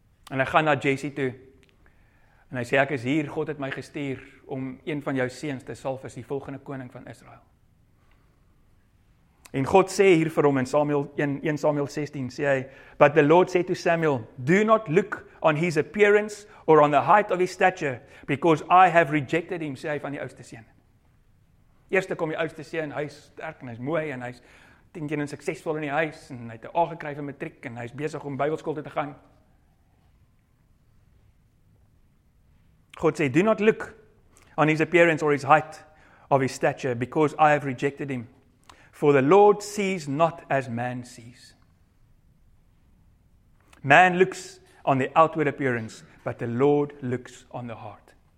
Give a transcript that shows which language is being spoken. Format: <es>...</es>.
<af>En hy gaan na Jesse toe, en hy sê, ek is hier, God het my gestuur om een van jou seuns te salf as die volgende koning van Israel. En God sê hier vir hom in Samuel 1 Samuel 16 sê hy,</af> <en>but the Lord said to Samuel, do not look on his appearance or on the height of his stature, because I have rejected him,</en> <af>sê hy van die oudste seun. Eerste kom die oudste seun, hy is sterk en hy is mooi en hy is 10 keer suksesvol in die huis en hy het 'n A gekry vir matriek en hy is besig om Bybelskool te gaan.</af> <en>God sê, do not look on his appearance or his height of his stature, because I have rejected him. For the Lord sees not as man sees. Man looks on the outward appearance, but the Lord looks on the heart.</en>